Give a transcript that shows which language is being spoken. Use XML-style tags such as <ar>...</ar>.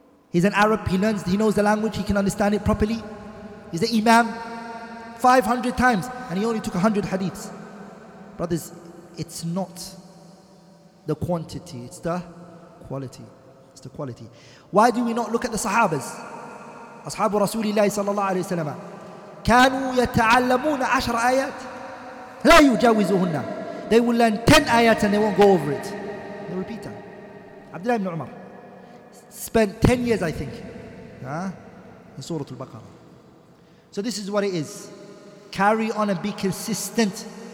<en>He's an Arab, he learns, he knows the language, he can understand it properly. He's an imam, 500 times, and he only took 100 hadiths. Brothers, it's not the quantity, it's the quality. It's the quality. Why do we not look at the Sahabas?</en> <ar>Ashabu Rasulillahi sallallahu alayhi wa sallam. كانوا يتعلمون عشر آيات لا يجاوزهن.</ar> <en>They will learn 10 آيات and they won't go over it. They repeat that. Abdullah ibn Umar spent 10 years, I think, in Surah Al-Baqarah. So this is what it is. Carry on and be consistent.</en>